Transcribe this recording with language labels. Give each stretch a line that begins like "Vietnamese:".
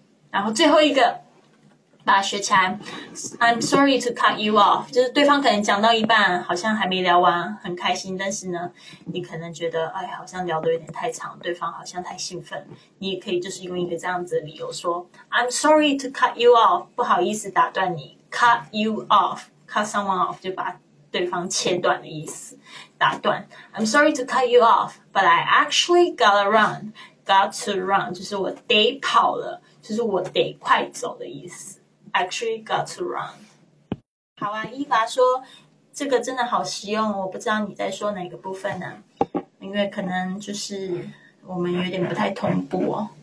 Chinese: 然后最后一个把它学起来，
English: I'm sorry to cut you off，
Chinese: 就是对方可能讲到一半好像还没聊完很开心，但是呢你可能觉得哎，好像聊得有点太长，对方好像太兴奋，你也可以就是用一个这样子的理由说 I'm sorry to cut you off， 不好意思打断你， cut you offcut someone off 就把对方切断的意思，打断。
English: I'm sorry to cut you off, but I actually gotta run. Got to run
Chinese: 就是我得跑了，就是我得快走的意思。
English: Actually got to run。
Chinese: 好啊，伊娃说这个真的好实用，我不知道你在说哪个部分呢、啊？因为可能就是我们有点不太同步哦。